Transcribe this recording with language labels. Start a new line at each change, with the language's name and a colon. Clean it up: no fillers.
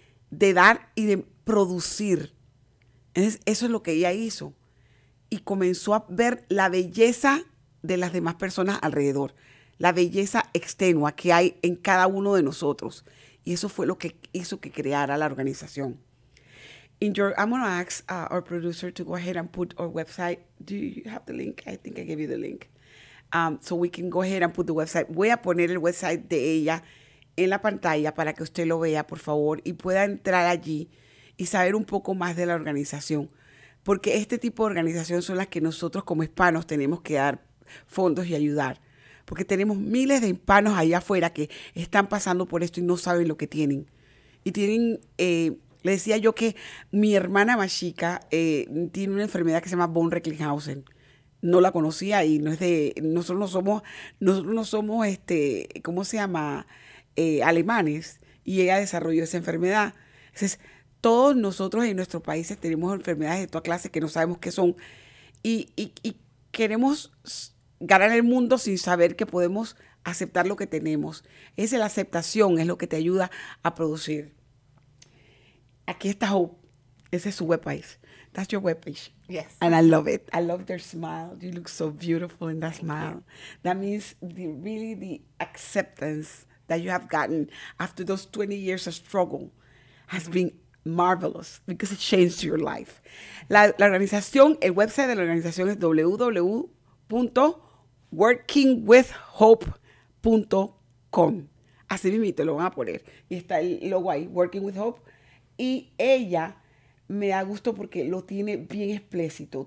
Spanish: De dar y de producir. Entonces, eso es lo que ella hizo. Y comenzó a ver la belleza de las demás personas alrededor. La belleza extenua que hay en cada uno de nosotros. Y eso fue lo que hizo que creara la organización.
English: I'm going to ask our producer to go ahead and put our website. Do you have the link? I think I gave you the link. So we can go ahead and put the website.
Spanish: Voy a poner el website de ella en la pantalla para que usted lo vea, por favor, y pueda entrar allí y saber un poco más de la organización. porque este tipo de organizaciones son las que nosotros como hispanos tenemos que dar fondos y ayudar. Porque tenemos miles de hispanos allá afuera que están pasando por esto y no saben lo que tienen. Y tienen, le decía yo que mi hermana más chica tiene una enfermedad que se llama von Recklinghausen. No la conocía y no es de, nosotros no somos, ¿cómo se llama? Alemanes. Y ella desarrolló esa enfermedad. Entonces, todos nosotros en nuestros países tenemos enfermedades de toda clase que no sabemos qué son. Y queremos ganar el mundo sin saber que podemos aceptar lo que tenemos. Es la aceptación, es lo que te ayuda a producir. Aquí está Hope. Ese es su webpage.
English: That's your webpage. Yes. And I love it. I love their smile. You look so beautiful in that smile. That means the, really the acceptance that you have gotten after those 20 years of struggle has been marvelous because it changed your life.
Spanish: La organización, el website de la organización es www.workingwithhope.com. Así mismo te lo van a poner. Y está el logo ahí, Working with Hope. Y ella me da gusto porque lo tiene bien explícito.